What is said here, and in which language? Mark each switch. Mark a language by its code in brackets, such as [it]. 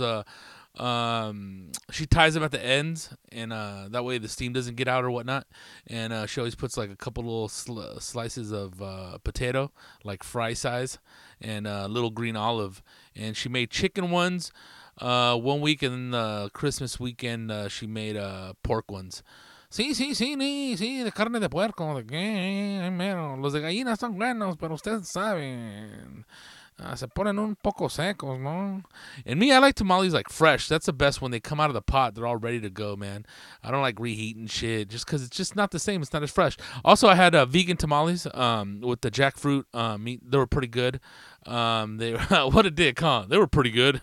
[en] She ties them at the ends, and that way the steam doesn't get out or whatnot. And she always puts like a couple little slices of potato, like fry size, and a little green olive. And she made chicken ones 1 week, and then Christmas weekend she made pork ones. [es] Sí, de carne de puerco, de qué, mero. Los de gallina son buenos, pero ustedes saben. Se ponen un poco secos, ¿no? [en] And me, I like tamales, like, fresh. That's the best when they come out of the pot. They're all ready to go, man. I don't like reheating shit just because it's just not the same. It's not as fresh. Also, I had vegan tamales with the jackfruit meat. They were pretty good. What a dick, huh? They were pretty good.